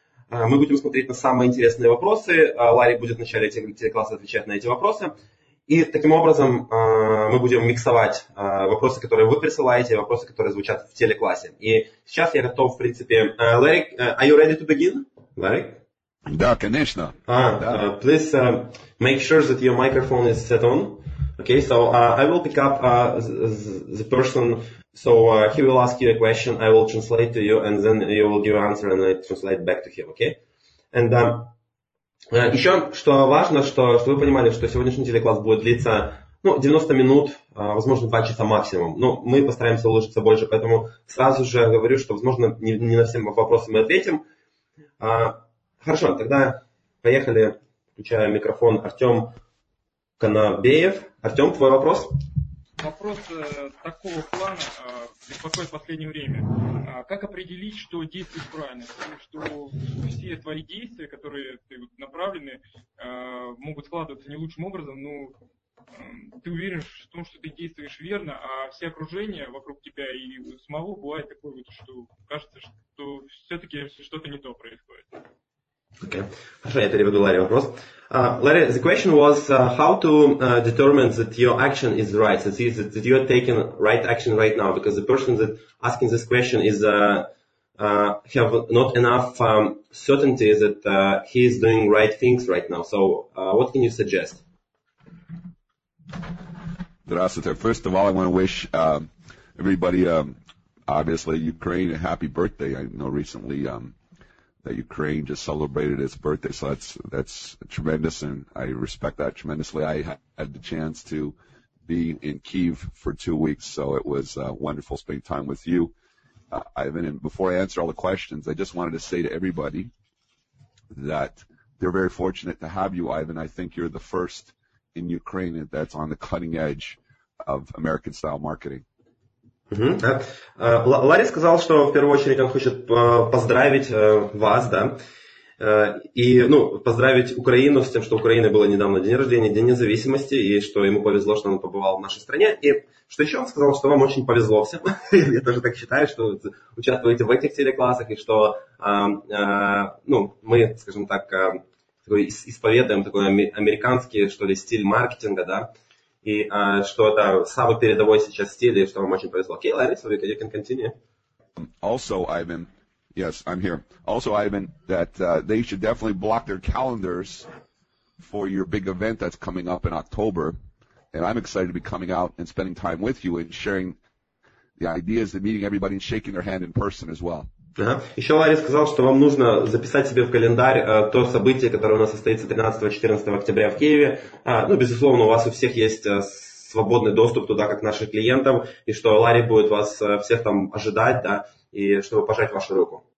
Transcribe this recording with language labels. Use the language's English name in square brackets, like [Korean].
[Russian] Мы будем смотреть на самые интересные вопросы. Ларри будет в начале телекласса отвечать на эти вопросы. И таким образом мы будем миксовать вопросы, которые вы присылаете, и вопросы, которые звучат в телеклассе. И сейчас я готов, в принципе... [English] Ларри, are you ready to begin? Ларри? [Russian] Да, конечно. [English] Please make sure that your microphone is set on. Okay, so I will pick up the person, so he will ask you a question, I will translate to you, and then you will give answer, and I translate back to him, okay? And [Russian] еще, что важно, что вы понимали, что сегодняшний телекласс будет длиться 90 минут, возможно, 2 часа максимум. Но мы постараемся уложиться больше, поэтому сразу же говорю, что, возможно, не на все вопросы мы ответим. Хорошо, тогда поехали, включаю микрофон, Артем Конобеев. Артем, твой вопрос? Вопрос такого плана беспокоит в последнее время. Как определить, что действует правильно? Что все твои действия, которые ты направлены, могут складываться не лучшим образом, но ты уверен в том, что ты действуешь верно, а все окружения вокруг тебя и самого бывает такое, вот, что кажется, что все-таки что-то не то происходит. [English] Okay. Larry, the question was how to determine that your action is right, that you are taking right action right now, because the person that asking this question is have not enough certainty that he is doing right things right now. So what can you suggest? [Russian] Здравствуйте. [English] First of all, I want to wish everybody, obviously Ukraine, a happy birthday. I know recently that Ukraine just celebrated its birthday, so that's tremendous, and I respect that tremendously. I had the chance to be in Kyiv for 2 weeks, so it was wonderful spending time with you, Ivan. And before I answer all the questions, I just wanted to say to everybody that they're very fortunate to have you, Ivan. I think you're the first in Ukraine that's on the cutting edge of American-style marketing. [Russian] Ларри сказал, что в первую очередь он хочет поздравить вас, да, и, ну, поздравить Украину с тем, что у Украины было недавно день рождения, День независимости, и что ему повезло, что он побывал в нашей стране, и что еще он сказал, что вам очень повезло всем, я тоже так считаю, что участвуете в этих телеклассах, и что, ну, мы, скажем так, такой исповедуем такой американский, что ли, стиль маркетинга, да, и что это самый передовой сейчас стиль, и что вам очень повезло. [English] Окей, Ларри, so you can continue. Also, Ivan, yes, I'm here. Also, Ivan, that they should definitely block their calendars for your big event that's coming up in October, and I'm excited to be coming out and spending time with you and sharing the ideas and meeting everybody and shaking their hand in person as well. Uh-huh. [Russian] Еще Ларри сказал, что вам нужно записать себе в календарь то событие, которое у нас состоится 13-14 октября в Киеве. Ну, безусловно, у вас у всех есть свободный доступ туда, как наших клиентов, и что Ларри будет вас всех там ожидать, да, и чтобы пожать вашу руку.